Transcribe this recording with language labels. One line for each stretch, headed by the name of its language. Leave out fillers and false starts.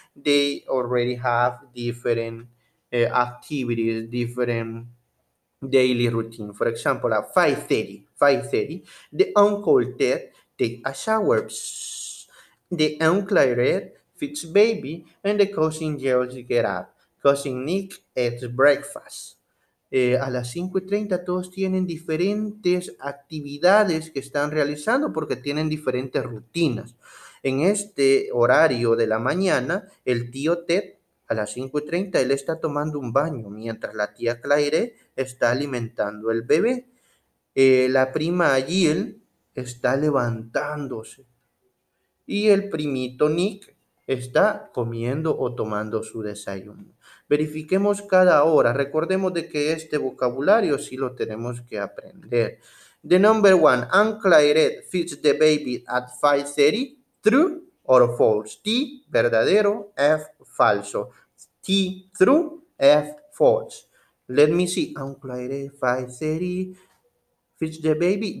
English: They already have different activities, different daily routine. For example, at 5:30, the uncle Ted take a shower. The uncle Red feeds baby, and the cousin Gerald get up. Cousin Nick eats breakfast.
Spanish: A las 5:30 todos tienen diferentes actividades que están realizando porque tienen diferentes rutinas. En este horario de la mañana, el tío Ted, a las 5:30, él está tomando un baño, mientras la tía Claire está alimentando el bebé. La prima Jill está levantándose. Y el primito Nick está comiendo o tomando su desayuno. Verifiquemos cada hora. Recordemos de que este vocabulario sí lo tenemos que aprender.
English: The number one, Uncle Ed feeds the baby at 5:30. True or false? T, verdadero. F, falso. T, true. F, false. Let me see. Uncle Ed, 5:30, feeds the baby.